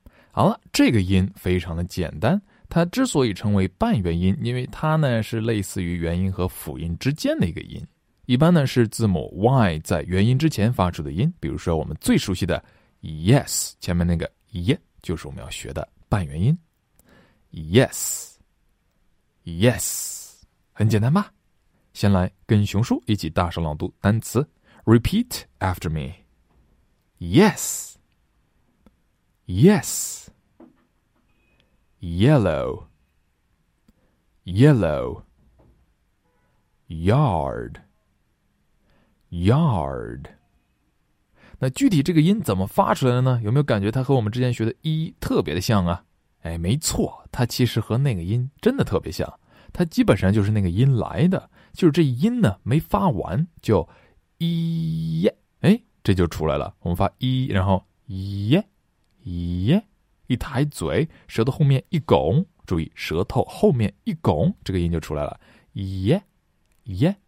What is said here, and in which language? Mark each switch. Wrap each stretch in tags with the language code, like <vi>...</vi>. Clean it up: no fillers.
<zh>好了，这个音非常的简单，它之所以称为半元音，因为它呢是类似于元音和辅音之间的一个音，一般呢是字母 Y 在元音之前发出的音，比如说我们最熟悉的 Yes 前面那个 Ye 就是我们要学的半元音。 Yes, yes, 很简单吧？先来跟熊叔一起大声朗读单词。</zh> <en>Repeat after me. Yes, yes, yellow, yellow, yard, yard.</en> <zh>那具体这个音怎么发出来的呢？有没有感觉它和我们之前学的一特别的像啊？哎，没错，它其实和那个音真的特别像，它基本上就是那个音来的，就是这音呢没发完就一耶，哎，这就出来了。我们发一，然后耶耶，一抬嘴，舌头后面一拱，注意舌头后面一拱，这个音就出来了，耶耶。</zh>